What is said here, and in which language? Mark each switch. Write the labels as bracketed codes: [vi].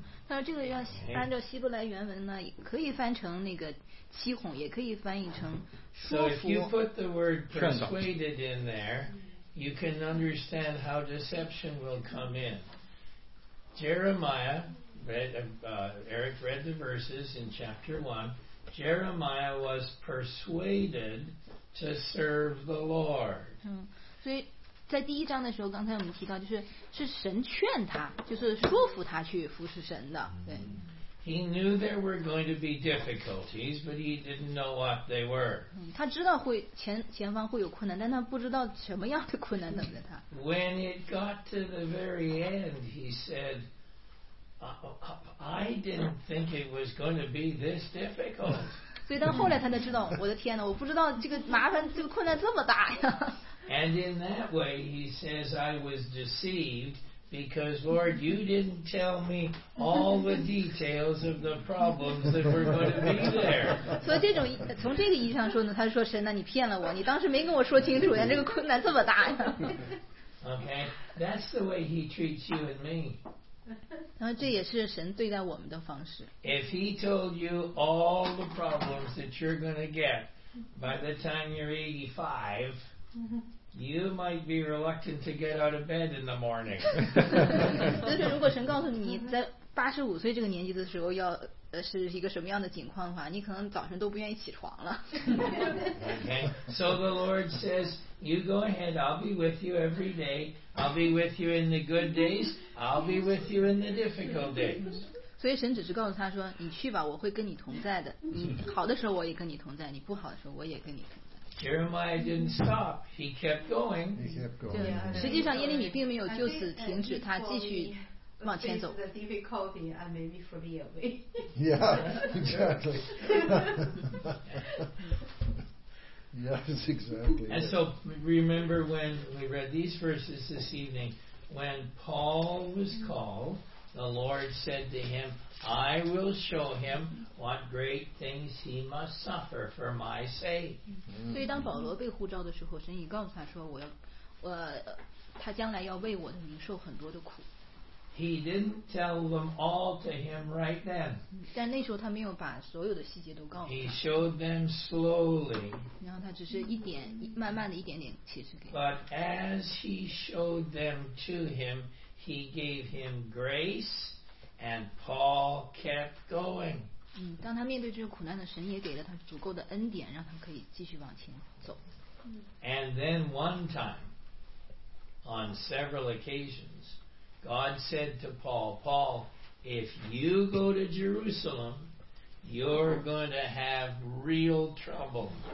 [zh] 那这个要按照希伯来原文呢，可以翻成那个欺哄，也可以翻译成说服。 [en] So if you put the word persuaded in there, you can understand how deception will come in. Jeremiah, Eric read the verses in chapter 1, Jeremiah was persuaded to serve the Lord. [zh] 所以在第一章的时候，刚才我们提到，就是是神劝他，就是说服他去服侍神的。对。 [en] He knew there were going to be difficulties, but he didn't know what they were. [zh] 他知道会前方会有困难，但他不知道什么样的困难等着他。 [en] When it got to the very end, he said, "I didn't think it was going to be this difficult." [zh] 所以到后来他才知道，我的天哪，我不知道这个麻烦，这个困难这么大呀。 [en] And in that way, he says, I was deceived because, Lord, you didn't tell me all the details of the problems that were going to be there. [zh] So, 这种从这个意义上说呢，他说神呐，你骗了我，你当时没跟我说清楚呀，这个困难这么大呀。 [en] Okay, that's the way he treats you and me. [zh] 然后这也是神对待我们的方式。 [en] If he told you all the problems that you're going to get by the time you're 85. You might be reluctant to get out of bed in the morning. [zh] 就是如果神告诉你在85岁这个年纪的时候要是一个什么样的情况的话，你可能早晨都不愿意起床了。 [en] Okay, so the Lord says, "You go ahead. I'll be with you every day. I'll be with you in the good days. I'll be with you in the difficult days." [zh] 所以神只是告诉他说，你去吧，我会跟你同在的。你好的时候我也跟你同在，你不好的时候我也跟你同在。 [en] Jeremiah didn't stop. He kept going. He kept going. Yeah. [zh] 实际上耶利米并没有就此停止，他继续往前走。 [en] The difficulty and maybe for the away. Yeah, exactly. Yes, exactly. And so remember when we read these verses this evening, when Paul was called, the Lord said to him, I will show him what great things he must suffer for my sake. [zh] 所以当保罗被呼召的时候，神已告诉他说，我要，我，他将来要为我的名受很多的苦。 [en] He didn't tell them all to him right then. [zh] 但那时候他没有把所有的细节都告诉他。 [en] He showed them slowly. [zh] 然后他只是一点，慢慢的一点点启示给。 [en] But as he showed them to him, he gave him grace. And Paul kept going. [zh] 当他面对这个苦难的神也给了他足够的恩典，让他可以继续往前走。 [en] And then one time, on several occasions, God said to Paul, Paul, if you go to Jerusalem, you're going to have real trouble.